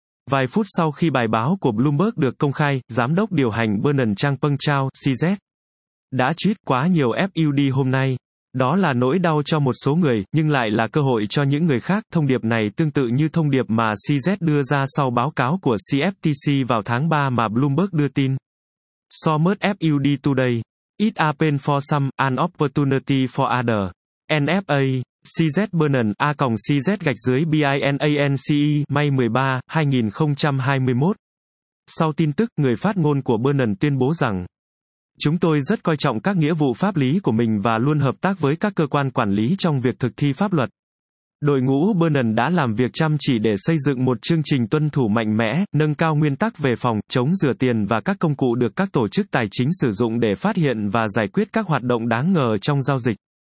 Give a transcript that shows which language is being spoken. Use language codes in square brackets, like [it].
[vi] Vài phút sau khi bài báo của Bloomberg được công khai, Giám đốc điều hành Binance Trang Peng Chao, CZ, đã tweet quá nhiều FUD hôm nay. Đó là nỗi đau cho một số người, nhưng lại là cơ hội cho những người khác. Thông điệp này tương tự như thông điệp mà CZ đưa ra sau báo cáo của CFTC vào tháng 3 mà Bloomberg đưa tin. [en] So much FUD today. It happened for some, an opportunity for other. NFA, CZ Binance, A-CZ [vi] gạch dưới [en] BINANCE, May 13, 2021. [vi] Sau tin tức, người phát ngôn của Binance tuyên bố rằng chúng tôi rất coi trọng các nghĩa vụ pháp lý của mình và luôn hợp tác với các cơ quan quản lý trong việc thực thi pháp luật. Đội ngũ Binance đã làm việc chăm chỉ để xây dựng một chương trình tuân thủ mạnh mẽ, nâng cao nguyên tắc về phòng, chống rửa tiền và các công cụ được các tổ chức tài chính sử dụng để phát hiện và giải quyết các hoạt động đáng ngờ trong giao dịch.